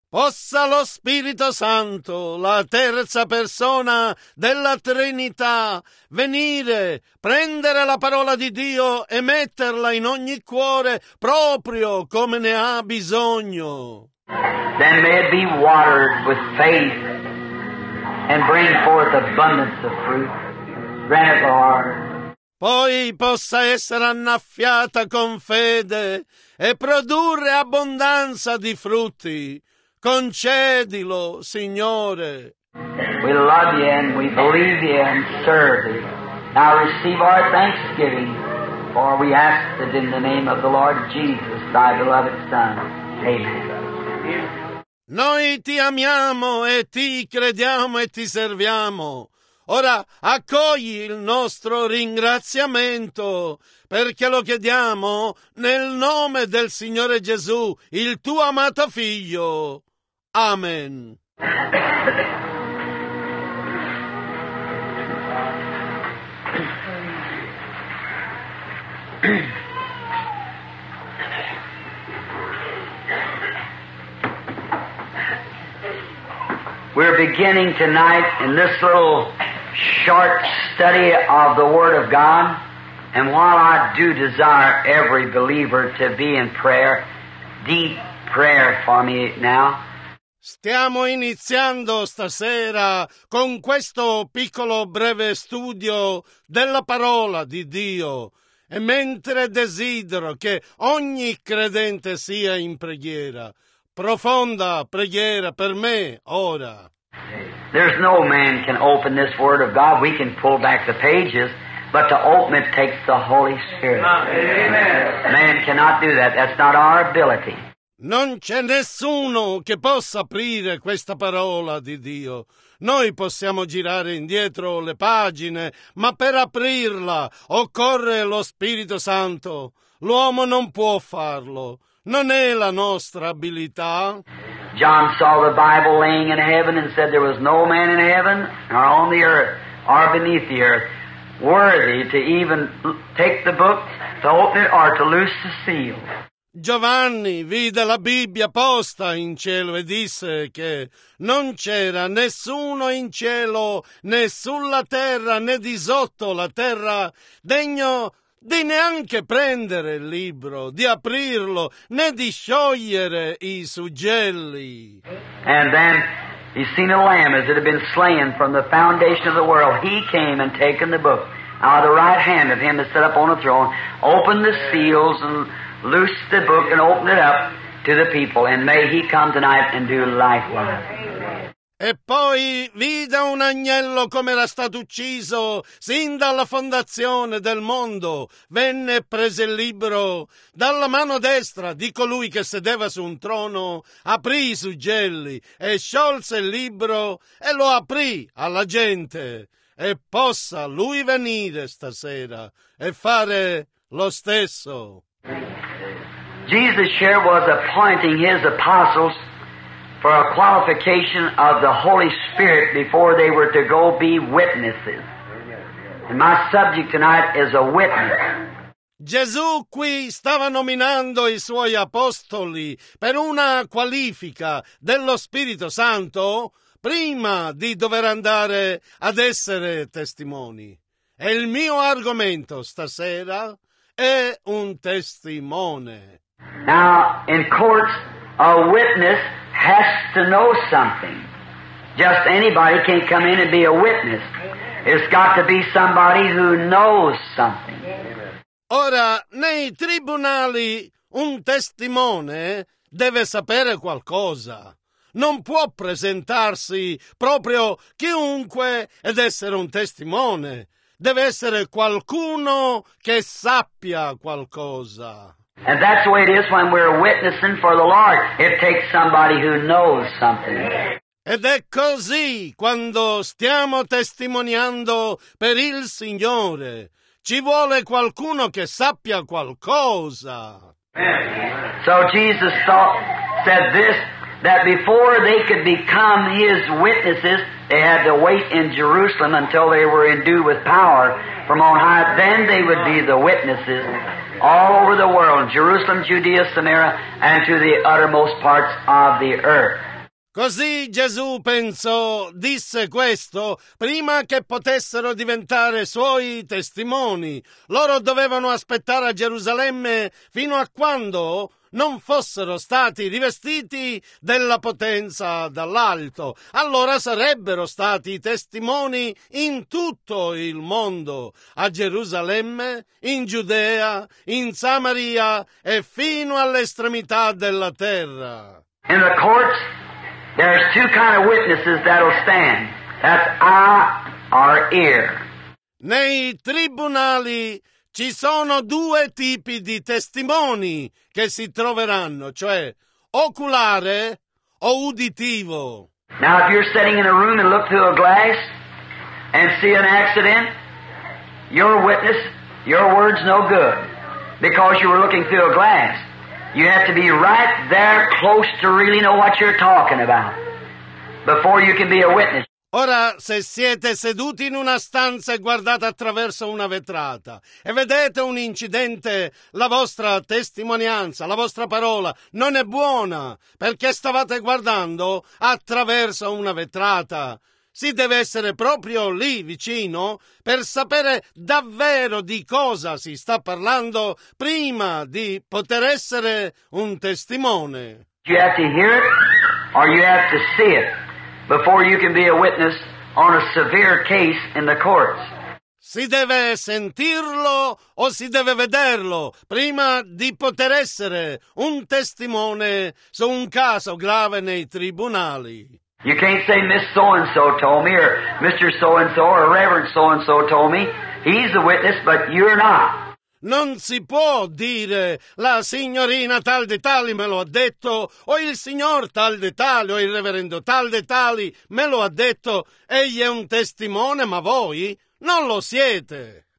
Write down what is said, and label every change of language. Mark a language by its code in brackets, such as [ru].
[it] Possa lo Spirito Santo, la terza persona della Trinità, venire, prendere la parola di Dio e metterla in ogni cuore proprio come ne ha bisogno. [en] Then may it be watered with faith and bring forth abundance of fruit. Grant it, Lord. [it] Poi possa essere annaffiata con fede e produrre abbondanza di frutti. Concedilo, Signore. [en] We love you and we believe you and serve you. Now receive our thanksgiving, for we ask it in the name of the Lord Jesus, thy beloved Son. Amen. [it] Noi ti amiamo e ti crediamo e ti serviamo. Ora accogli il nostro ringraziamento, perché lo chiediamo nel nome del Signore Gesù, il tuo amato Figlio. Amen. [en] We're beginning tonight in this little short study of the Word of God, and while I do desire every believer to be in prayer, deep prayer for me now. [it] Stiamo iniziando stasera con questo piccolo breve studio della parola di Dio, e mentre desidero che ogni credente sia in preghiera, profonda preghiera per me ora. [en] There's no man can open this word of God. We can pull back the pages, but to open it takes the Holy Spirit. Amen. Man cannot do that. That's not our ability. [it] Non c'è nessuno che possa aprire questa parola di Dio. Noi possiamo girare indietro le pagine, ma per aprirla occorre lo Spirito Santo. L'uomo non può farlo. Non è la nostra abilità. [en] John saw the Bible laying in heaven and said there was no man in heaven or on the earth or beneath the earth worthy to even take the book, to open it or to loose the seal. [it] Giovanni vide la Bibbia posta in cielo e disse che non c'era nessuno in cielo, né sulla terra, né di sotto la terra degno di neanche prendere il libro, di aprirlo, né di sciogliere i suggelli. [en] And then he seen a lamb as it had been slain from the foundation of the world. He came and taken the book out of the right hand of him that sat upon the throne, opened the seals and loosed the book and opened it up to the people. And may he come tonight and do likewise. [it] E poi vide un agnello come era stato ucciso sin dalla fondazione del mondo. Venne e prese il libro dalla mano destra di colui che sedeva su un trono, aprì i suggelli e sciolse il libro e lo aprì alla gente. E possa lui venire stasera e fare lo stesso. [en] Jesus here was appointing his apostles for a qualification of the Holy Spirit before they were to go be witnesses. And my subject tonight is a witness. [it] Gesù qui stava nominando i suoi apostoli per una qualifica dello Spirito Santo prima di dover andare ad essere testimoni. E il mio argomento stasera è un testimone. [en] Now, in courts, a witness has to know something. Just anybody can't come in and be a witness. It's got to be somebody who knows something. [it] Ora, nei tribunali, un testimone deve sapere qualcosa. Non può presentarsi proprio chiunque ed essere un testimone. Deve essere qualcuno che sappia qualcosa. [en] And that's the way it is when we're witnessing for the Lord. It takes somebody who knows something. [it] Ed è così quando stiamo testimoniando per il Signore. Ci vuole qualcuno che sappia qualcosa. [en] So Jesus said this, that before they could become his witnesses, they had to wait in Jerusalem until they were endued with power from on high. Then they would be the witnesses all over the world, Jerusalem, Judea, Samaria, and to the uttermost parts of the earth. [it] Così Gesù pensò, disse questo, prima che potessero diventare suoi testimoni. Loro dovevano aspettare a Gerusalemme fino a quando non fossero stati rivestiti della potenza dall'alto. Allora sarebbero stati testimoni in tutto il mondo, a Gerusalemme, in Giudea, in Samaria e fino all'estremità della terra. [en] In the courts, there's two kind of witnesses that'll stand. That's eye or ear. [it] Nei tribunali ci sono due tipi di testimoni che si troveranno, cioè oculare o uditivo. [en] Now if you're sitting in a room and look through a glass and see an accident, your witness, your word's no good because you were looking through a glass. You have to be right there close to really know what you're talking about before you can be a witness. [it] Ora, se siete seduti in una stanza e guardate attraverso una vetrata e vedete un incidente, la vostra testimonianza, la vostra parola non è buona perché stavate guardando attraverso una vetrata. Si deve essere proprio lì vicino per sapere davvero di cosa si sta parlando prima di poter essere un testimone. [en] You have to hear it or you have to see it before you can be a witness on a severe case in the courts. [it] Si deve sentirlo o si deve vederlo prima di poter essere un testimone su un caso grave nei tribunali. [en] You can't say Miss So-and-so told me, or Mr. So-and-so, or Reverend So-and-so told me. He's the witness, but you're not. [it] Non si può dire la signorina tal de tali me lo ha detto, o il signor tal de tali, o il reverendo tal de tali me lo ha detto. Egli è un testimone, ma voi non lo siete.